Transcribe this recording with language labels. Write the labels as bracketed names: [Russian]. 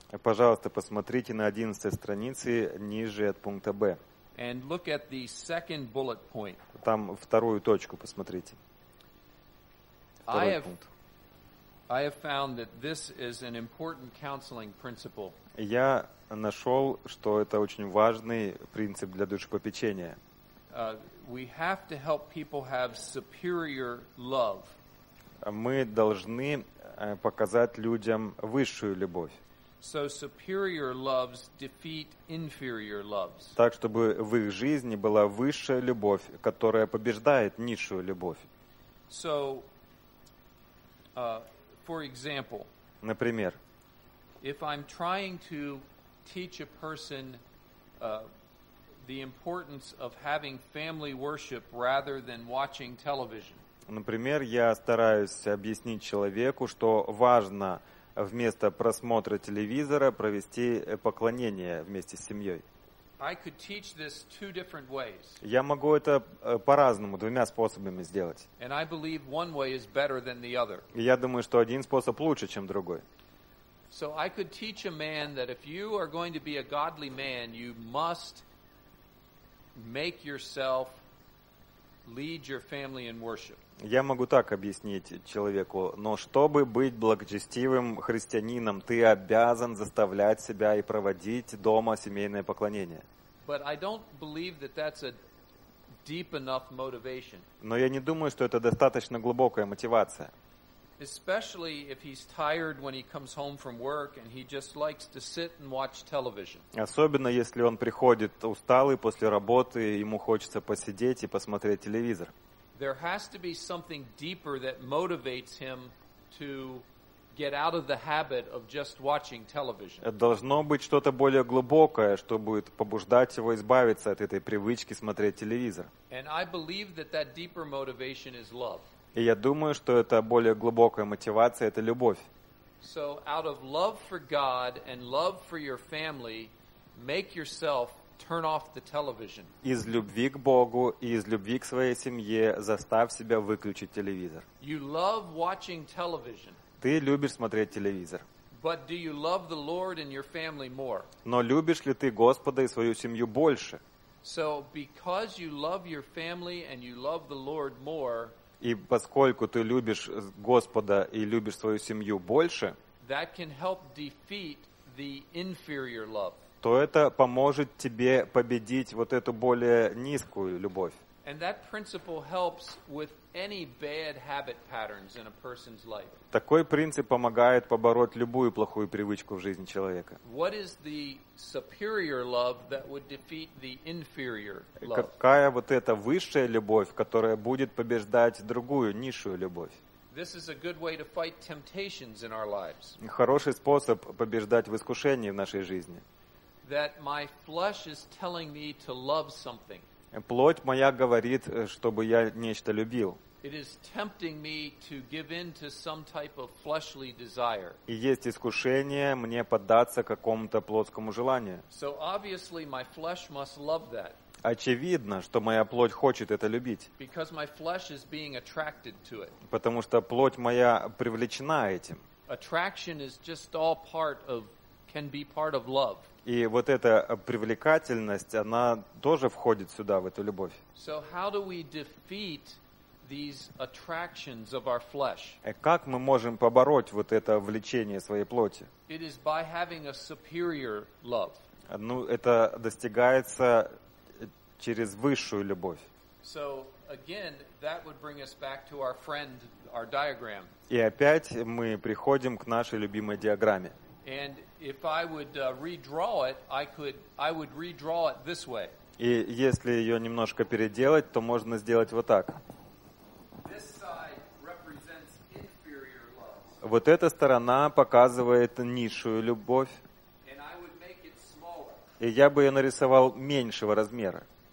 [Russian] Пожалуйста, посмотрите на 11 странице ниже от пункта Б. [English] And look at the second bullet point. [Russian] Там вторую точку посмотрите. [English] I have found that this is an important counseling principle. [Russian] Я нашел, что это очень важный принцип для душепопечения. [English] We have to help people have superior love. [Russian] Мы должны показать людям высшую любовь. [English] So superior loves defeat inferior loves. [Russian] Так, чтобы в их жизни была высшая любовь, которая побеждает низшую любовь. [English] So, for example, [Russian] например, [English] if I'm trying to teach a person the importance of having family worship rather than watching television. [Russian] Например, я стараюсь объяснить человеку, что важно вместо просмотра телевизора провести поклонение вместе с семьей. [English] I could teach this two different ways. [Russian] Я могу это по-разному, двумя способами сделать. [English] And I believe one way is better than the other. [Russian] Я думаю, что один способ лучше, чем другой. [English] So I could teach a man that if you are going to be a godly man, you must make yourself lead your family in worship. [Russian] Я могу так объяснить человеку, но чтобы быть благочестивым христианином, ты обязан заставлять себя и проводить дома семейное поклонение. [English] But I don't believe that that's a deep enough motivation. [Russian] Но я не думаю, что это достаточно глубокая мотивация. [English] Especially if he's tired when he comes home from work and he just likes to sit and watch television. [Russian] Особенно если он приходит усталый после работы, ему хочется посидеть и посмотреть телевизор. [English] There has to be something deeper that motivates him to get out of the habit of just watching television. [Russian] Должно быть что-то более глубокое, что будет побуждать его избавиться от этой привычки смотреть телевизор. [English] And I believe that that deeper motivation is love. [Russian] И я думаю, что это более глубокая мотивация, это любовь. [English] So out of love for God and love for your family, make yourself turn off the television. [Russian] Из любви к Богу и из любви к своей семье заставь себя выключить телевизор. [English] You love watching television. [Russian] Ты любишь смотреть телевизор. [English] But do you love the Lord and your family more? [Russian] Но любишь ли ты Господа и свою семью больше? [English] So because you love your family and you love the Lord more, [Russian] и поскольку ты любишь Господа и любишь свою семью больше, [English] that can help defeat the inferior love. [Russian] То это поможет тебе победить вот эту более низкую любовь. [English] And that principle helps with any bad habit patterns in a person's life. [Russian] Такой принцип помогает побороть любую плохую привычку в жизни человека. [English] What is the superior love that would defeat the inferior love? [Russian] Какая вот эта высшая любовь, которая будет побеждать другую низшую любовь? [English] This is a good way to fight temptations in our lives. [Russian] Хороший способ побеждать в искушении в нашей жизни. [English] That my flesh is telling me to love something. [Russian] Плоть моя говорит, чтобы я нечто любил. [English] It is tempting me to give in to some type of fleshly desire. [Russian] И есть искушение мне поддаться какому-то плотскому желанию. [English] So obviously my flesh must love that. [Russian] Очевидно, что моя плоть хочет это любить. [English] Because my flesh is being attracted to it. [Russian] Потому что плоть моя привлечена этим. [English] Attraction is just all part of, can be part of love. [Russian] И вот эта привлекательность, она тоже входит сюда, в эту любовь. [English] So how do we defeat these attractions of our flesh? [Russian] Как мы можем побороть вот это влечение своей плоти? [English] It is by having a superior love. [Russian] Ну, это достигается через высшую любовь. [English] So again, that would bring us back to our friend, our diagram. [Russian] И опять мы приходим к нашей любимой диаграмме. [English] And if I would redraw it, I would redraw it this way. [Russian] И если ее немножко переделать, то можно сделать вот так. [English] This side represents inferior love. [Russian] Вот эта сторона показывает низшую любовь. [English] And I would make it smaller. [Russian] И я бы ее нарисовал меньшего размера.